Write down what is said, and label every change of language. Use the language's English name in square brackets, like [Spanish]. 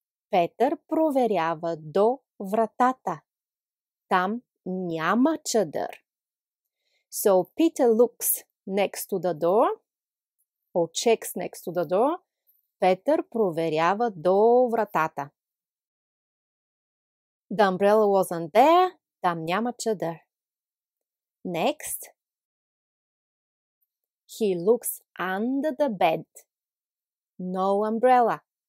[Bulgarian] Петър проверява до вратата. Там няма чадър. [English] So Peter looks next to the door, or checks next to the door. [Bulgarian] Петър проверява до вратата. [English] The umbrella wasn't there. [Bulgarian] Там няма чадър. [English] Next. He looks under the bed. No umbrella.